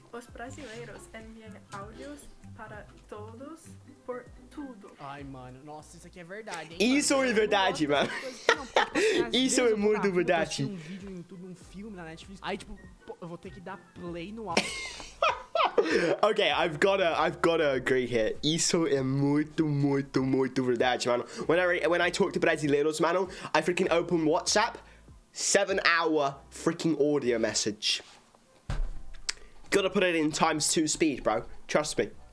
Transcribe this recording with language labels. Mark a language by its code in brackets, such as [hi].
[pt] Os brasileiros enviam áudios para todos por tudo. Ai, mano, nossa, isso aqui é verdade, hein? Isso é verdade, mano. Isso é muito verdade. Eu assisti um vídeo no YouTube, um filme na Netflix. Aí, tipo, pô, eu vou ter que dar play no áudio. [en] Okay, I've gotta agree here. [pt] Isso é muito, muito, muito verdade, mano. [en] When I talk to brasileiros, mano, I freaking open WhatsApp, 7-hour freaking audio message. Gotta put it in times 2 speed, bro. Trust me.